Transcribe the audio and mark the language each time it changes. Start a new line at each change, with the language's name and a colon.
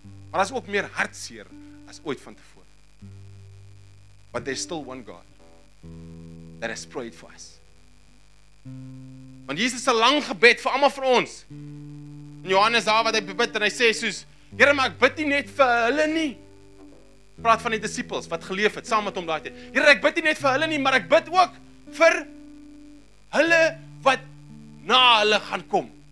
Afrikaans: Maar daar's ook meer hartseer as ooit van tevore.
English: But there's still one God that has prayed for us.
Afrikaans: Want Jesus het 'n lang gebed vir almal van ons. In Johannes daar wat hy bid en hy sê soos, Here, maar ek bid nie net vir hulle nie. Praat van die disippels wat geleef het saam met hom daai tyd. Here, ek bid nie net vir hulle nie, maar ek bid ook vir hulle wat na hulle gaan kom.